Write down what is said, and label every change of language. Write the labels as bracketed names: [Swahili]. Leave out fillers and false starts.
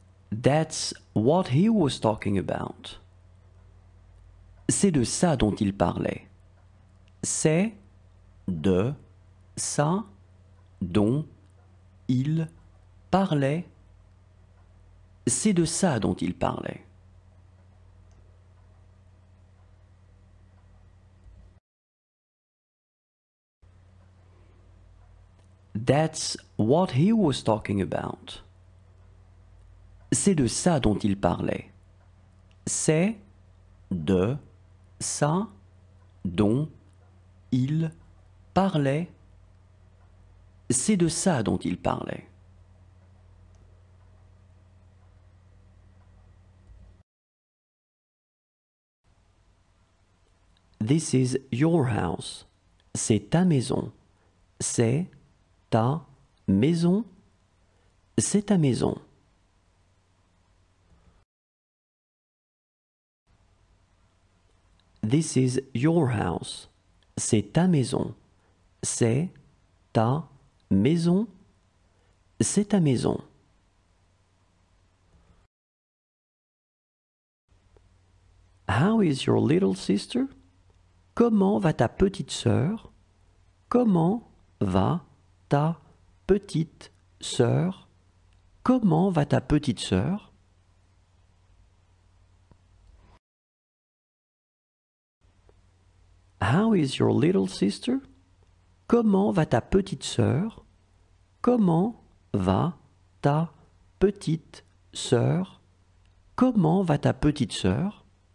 [English] That's what he was talking about. [French] C'est de ça dont il parlait. C'est de ça dont il parlait. C'est de ça dont il parlait. [English] That's what he was talking about. [French] C'est de ça dont il parlait. C'est de ça dont il parlait. C'est de ça dont il parlait. [English] This is your house. [French] C'est ta maison. C'est ta maison. C'est ta maison. [English] This is your house. [French] C'est ta maison. C'est ta maison. C'est ta maison. [English] How is your little sister? [French] Comment va ta petite sœur? Comment va ta petite sœur? Comment va ta petite sœur? [English] How is your little sister? [French] Comment va ta petite sœur? Comment va ta petite sœur? Comment va ta petite sœur?